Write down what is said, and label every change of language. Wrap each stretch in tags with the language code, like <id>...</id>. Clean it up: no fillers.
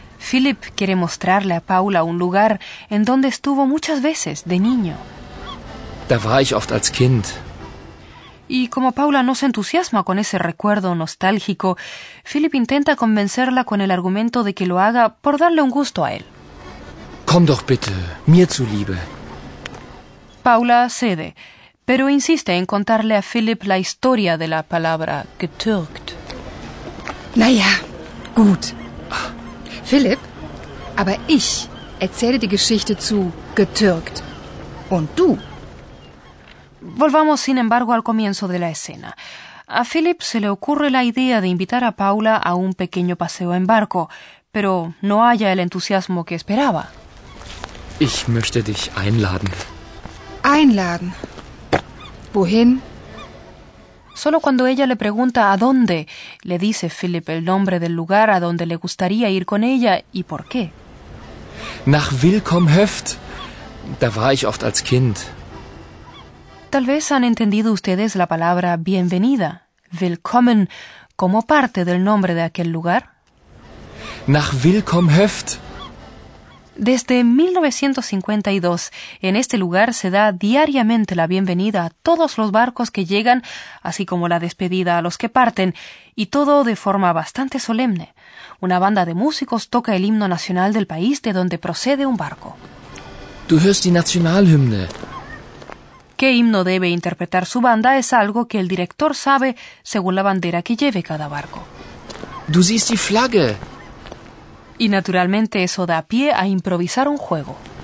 <es>Philip quiere mostrarle a Paula un lugar en donde estuvo muchas veces de niño.</es> <de>Da war ich oft als Kind.</de> <es>Y como Paula no se entusiasma con ese recuerdo nostálgico, Philip intenta convencerla con el argumento de que lo haga por darle un gusto a él.</es> <de>Komm doch bitte, mir zuliebe.</de> <es>Paula cede, pero insiste en contarle a Philip la historia de la palabra getürkt.</es> <de>Naja. Gut. Philip, aber ich erzähle die Geschichte zu getürkt. Und du?</de> <es>Volvamos, sin embargo, al comienzo de la escena. A Philip se le ocurre la idea de invitar a Paula a un pequeño paseo en barco, pero no halla el entusiasmo que esperaba.</es> <de>Ich möchte dich einladen. Einladen. Wohin?</de> <es>Solo cuando ella le pregunta a dónde, le dice Philip el nombre del lugar a donde le gustaría ir con ella y por qué.</es> <de>Nach Willkommhöft. Da war ich oft als Kind.</de> <es>Tal vez han entendido ustedes la palabra bienvenida, Willkommen, como parte del nombre de aquel lugar.</es> <de>Nach Willkommhöft.</de> <es>Desde 1952, en este lugar se da diariamente la bienvenida a todos los barcos que llegan, así como la despedida a los que parten, y todo de forma bastante solemne. Una banda de músicos toca el himno nacional del país de donde procede un barco.</es> <de>Du hörst die Nationalhymne.</de> <es>¿Qué himno debe interpretar su banda? Es algo que el director sabe según la bandera que lleve cada barco.</es> <de>Du siehst die Flagge.</de> <es>Y naturalmente eso da pie a improvisar un juego.</es>